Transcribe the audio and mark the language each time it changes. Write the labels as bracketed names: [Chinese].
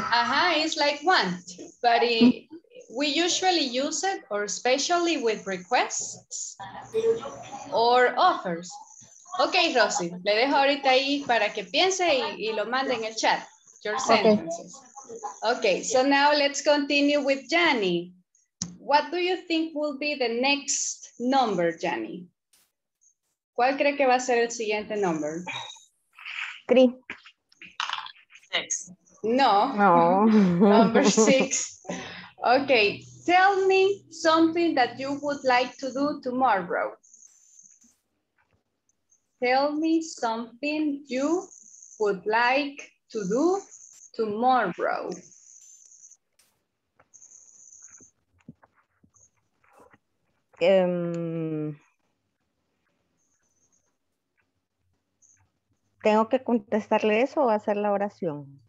[English] Ajá, it's like want, but it, we usually use it or especially with requests or offers. [Spanish] Ok, Rosy, le dejo ahorita ahí para que piense y lo mande en el chat. [English] Your sentences. Okay, so now let's continue with Jenny. What do you think will be the next number, Jenny? [Spanish] ¿Cuál cree que va a ser el siguiente number? 3. 6. No. No. [English] Number 6. Okay, tell me something that you would like to do tomorrow. Tell me something you would like to do tomorrow. [Spanish] ¿Tengo que contestarle eso o hacer la oración?